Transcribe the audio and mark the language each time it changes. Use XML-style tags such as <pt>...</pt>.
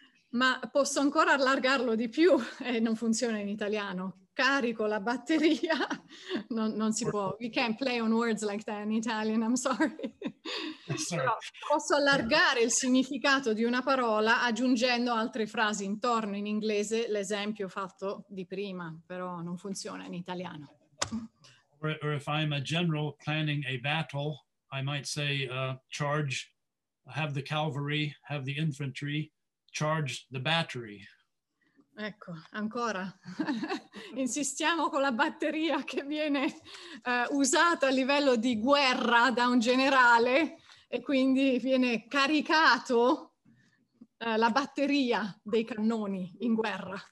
<it>Ma posso ancora allargarlo di più, non funziona in italiano. Carico la batteria, non si può.</it> <en>We can't play on words like that in Italian, I'm sorry. Sorry.</en> <it>Posso allargare il significato di una parola aggiungendo altre frasi intorno in inglese, l'esempio fatto di prima, però non funziona in italiano.</it> <en>Or if I'm a general planning a battle, I might say charge, have the cavalry, have the infantry, charge the battery.</en> <it>Ecco, ancora. Insistiamo con la batteria che viene usata a livello di guerra da un generale e quindi viene caricato la batteria dei cannoni in guerra.</it>